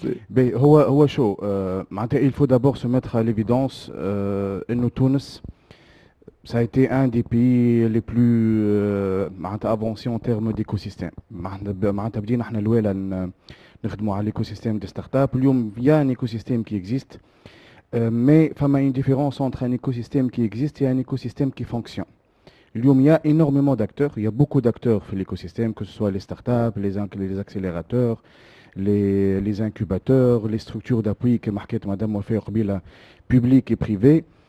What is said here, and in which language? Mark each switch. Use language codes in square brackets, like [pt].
[fr] Mais [ar] هو شو معناتها [fr] il faut d'abord se mettre à l'évidence [ar] انه [fr] تونس ça a été un des pays les plus avancés en termes d'écosystème. [ar] معناتها بدينا احنا الاولى نخدموا على [fr] l'écosystème de start-up. [ar] اليوم [fr] il y a un écosystème qui existe. Mais il y a une différence entre un écosystème qui existe et un écosystème qui fonctionne. Il y a énormément d'acteurs, il y a beaucoup d'acteurs dans l'écosystème, que ce soit les startups, les accélérateurs, les incubateurs, les structures d'appui que Market Madame Wafa Orbila, public et privé.